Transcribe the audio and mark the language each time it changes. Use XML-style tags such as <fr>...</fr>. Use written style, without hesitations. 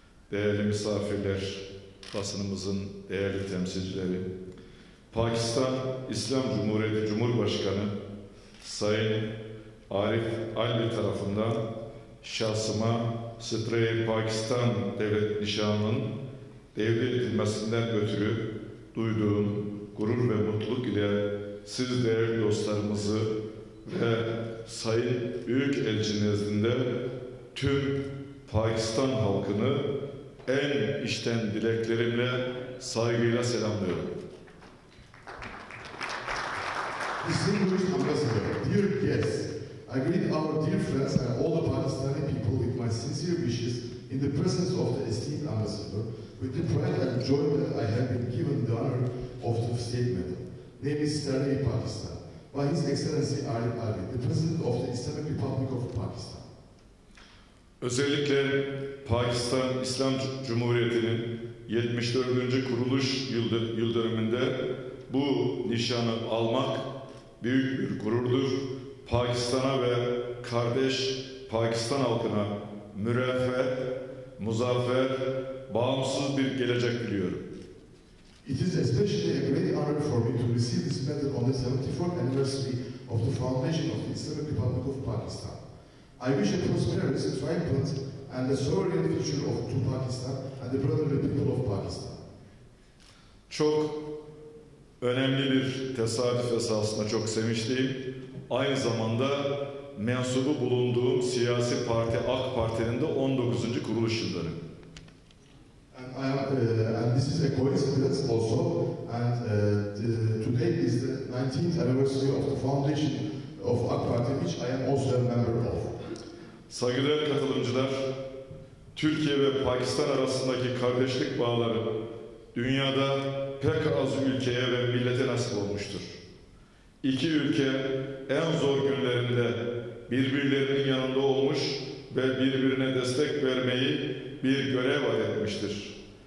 <tr>değerli misafirler, basınımızın değerli temsilcileri, Pakistan İslam Cumhuriyeti Cumhurbaşkanı Sayın Arif Ali tarafından şahsıma Stray Pakistan Devlet Nişanı'nın devredilmesinden ötürü duyduğum gurur ve mutluluk ile siz değerli dostlarımızı ve Sayın Büyükelçi nezdinde tüm Pakistan halkını en içten dileklerimle saygıyla selamlıyorum.</tr> <en>Distinguished Ambassador, dear guests, I greet our dear friends and all the Pakistani people with my sincere wishes in the presence of the esteemed ambassador, with the pride and joy that I have been given the honor of the State Medal, namely Stray Pakistan, by His Excellency Arif Ali, the President of the Islamic Republic of Pakistan.</en> <tr>Özellikle Pakistan İslam Cumhuriyeti'nin 74. kuruluş yıl dönümünde bu nişanı almak büyük bir gururdur. Pakistan'a ve kardeş Pakistan halkına müreffeh, muzaffer, bağımsız bir gelecek diliyorum.</tr> <en>It is especially a great honor for me to receive this medal on the 74th anniversary of the foundation of the Islamic Republic of Pakistan. I wish a prosperous, triumphant and a sovereign future of to Pakistan and the brotherly people of Pakistan.</en> <tr>Çok önemli bir tesadüf esasında çok sevinçliyim. Aynı zamanda mensubu bulunduğum siyasi parti AK Parti'nin de 19. kuruluş yılları.</tr> <en>And this is a coincidence also, and today is the 19th anniversary of the foundation of AK Parti, which I am also a member of.</en> <tr>Saygıdeğer katılımcılar, Türkiye ve Pakistan arasındaki kardeşlik bağları dünyada pek az ülkeye ve millete nasip olmuştur. İki ülke en zor günlerinde birbirlerinin yanında olmuş ve birbirine destek vermeyi bir görev adetmiştir.</tr>